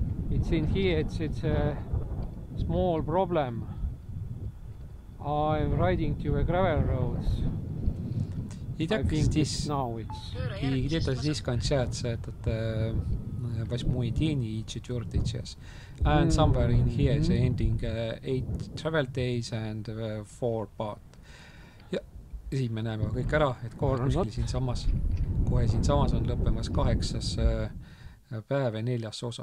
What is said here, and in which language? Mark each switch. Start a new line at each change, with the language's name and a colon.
English: It's in here, it's a small problem. I'm riding to a gravel road.
Russian: Итак, здесь
English: now it's...
Russian: И где-то здесь кончается этот восьмой день и четвертый час.
English: And somewhere in here is ending eight travel days and four part.
Estonian: Ja siin me näeme kõik ära, et kohe siin samas on lõppemas kaheksas päev ja neljas osa.